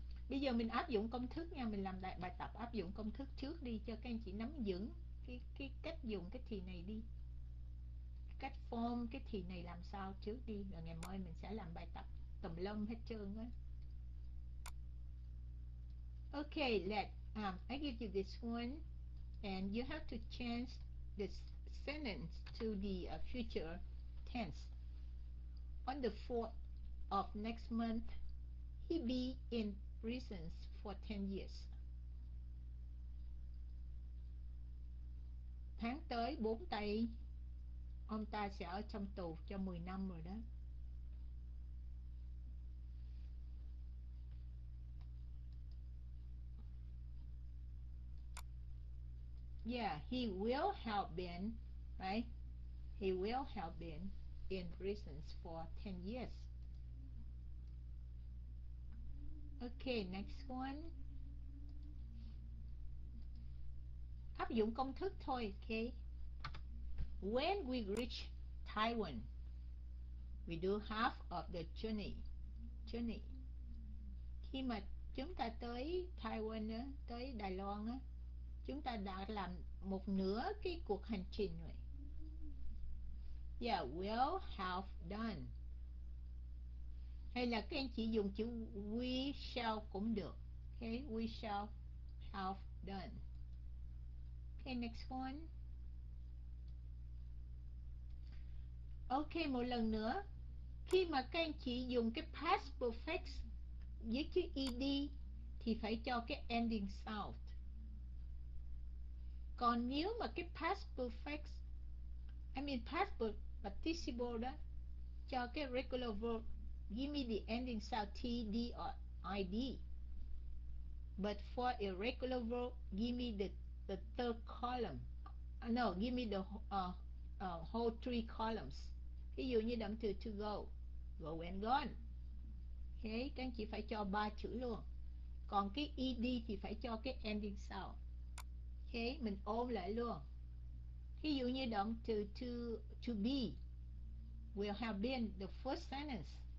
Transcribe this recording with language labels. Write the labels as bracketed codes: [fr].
[vi] Bây giờ mình áp dụng công thức nha, mình làm lại bài tập áp dụng công thức trước đi cho các anh chị nắm vững cái cách dùng cái thì này đi. Cách form cái thì này làm sao trước đi, rồi ngày mai mình sẽ làm bài tập tùm lum hết trơn á. [en] Okay, I give you this one and you have to change this sentence to the future tense. On the 4th of next month, he be in reasons for 10 years. [vi] Tháng tới 4 tây ông ta sẽ ở trong tù cho 10 năm rồi đó. [en] Yeah, he will have been, right? He will have been in reasons for 10 years. Okay, next one. [vi] áp dụng công thức thôi. [en] Okay. When we reach Taiwan, we do half of the journey. Journey. [vi] Khi mà chúng ta tới Taiwan, tới Đài Loan, chúng ta đã làm một nửa cái cuộc hành trình rồi. [en] Yeah, we'll have done. [vi] Hay là các anh chị dùng chữ we shall cũng được. [en] Okay, we shall have done. Okay, next one. [vi] Okay, một lần nữa. Khi mà các anh chị dùng cái past perfect với chữ ed thì phải cho cái ending sound. Còn nếu mà cái past perfect, past participle đó, cho cái regular verb, [en] give me the ending sound TD or ID. But for irregular verb, give me the third column. No, give me the whole three columns. [vi] Ví dụ như động từ to go, go and gone. Okay, các anh chị phải cho ba chữ luôn. Còn cái ED thì phải cho cái ending sound. Okay, mình ôm lại luôn. Ví dụ như động từ [en] to be, will have been the first sentence.